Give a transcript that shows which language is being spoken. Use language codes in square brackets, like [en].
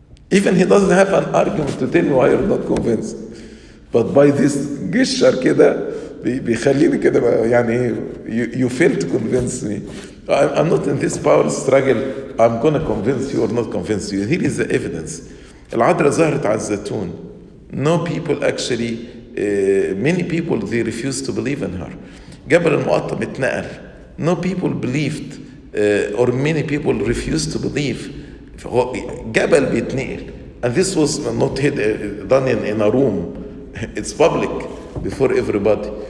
[en] Even he doesn't have an argument to tell me why you're not convinced. But by this gesture [ar] كده بيخليني كده [en] you fail to convince me. I'm not in this power struggle. I'm going to convince you or not convince you. Here is the evidence. [ar] العذراء ظهرت على الزيتون. [en] No people actually, many people, they refused to believe in her. [ar] جبل المقطم اتنقل. [en] No people believed, or many people refused to believe. [ar] جبل بيتنقل. [en] And this was not done in a room. It's public before everybody.